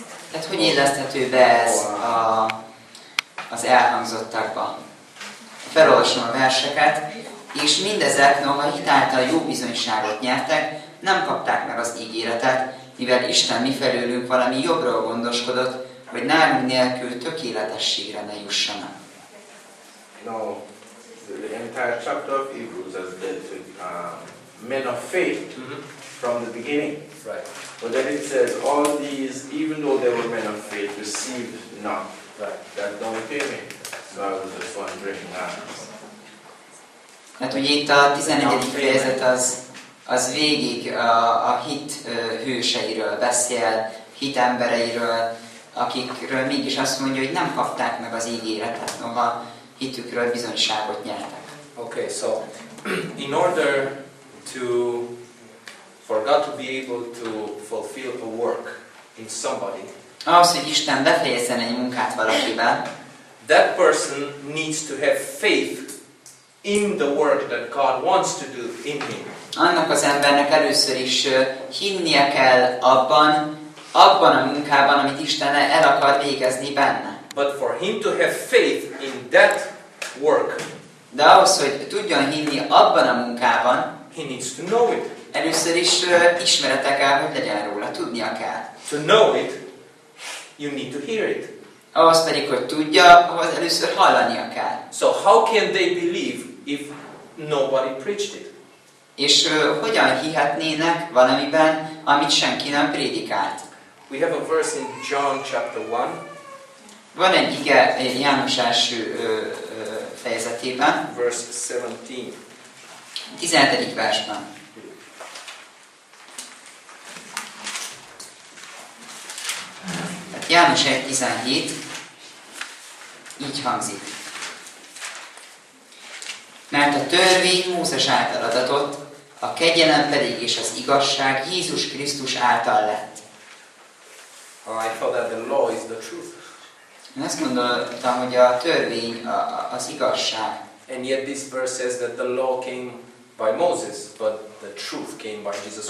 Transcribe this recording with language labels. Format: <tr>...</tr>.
<hu>Tehát hogy illeszthető be ez az elhangzottakba? Felolvasom a verseket, és mindezek, noha hitáltal jó bizonyságot nyertek, nem kapták meg az ígéretet, mivel Isten mifelőlünk valami jobbról gondoskodott, hogy nálunk nélkül tökéletességre ne jussanak.</hu> <en>No, the entire chapter of Hebrews has dealt with men of faith from the beginning. Right. But then it says all these, even though they were men of faith, received not. Right. That don't pay me. So I was just wondering that.</en> <hu>Hát ugye itt a 11. fejezet az végig a hit hőseiről beszél, hit embereiről, akikről mégis azt mondja, hogy nem kapták meg az ígéretet, noha hitükről bizonyságot nyertek.</hu> <en>Okay, so in order to for God to be able to fulfill a work in somebody,</en> <hu>ahhoz, hogy Isten befejezzen egy munkát valakiben,</hu> <en>that person needs to have faith in the work that God wants to do in him.</en> <hu>Annak az embernek először is hinnie kell abban a munkában, amit Isten el akar végezni benne.</hu> <en>But for him to have faith in that work,</en> <hu>de ahhoz, hogy tudjon hinni abban a munkában,</hu> <en>he needs to know it.</en> <hu>Először is ismerete kell, hogy legyen róla, tudnia kell.</hu> <en>To know it, you need to hear it.</en> <hu>Ahhoz pedig, hogy tudja, ahhoz először hallania kell.</hu> <en>So how can they believe if nobody preached it?</en> <hu>És hogyan hihetnének valamiben, amit senki nem prédikált?</hu> <en>We have a verse in John chapter 1.</en> <hu>Van egy ige János első fejezetében.</hu> <en>Verse 17.</en> <hu>17. versben. Tehát János 1.17 így hangzik. Mert a törvény Mózes által adatott, a kegyelem pedig és az igazság Jézus Krisztus által lett.</hu> <en>I thought that the law is the truth.</en> <hu>Én azt gondoltam, hogy a törvény az igazság.</hu> <en>And yet this verse says that the law came by Moses, but the truth came by Jesus Christ.</en>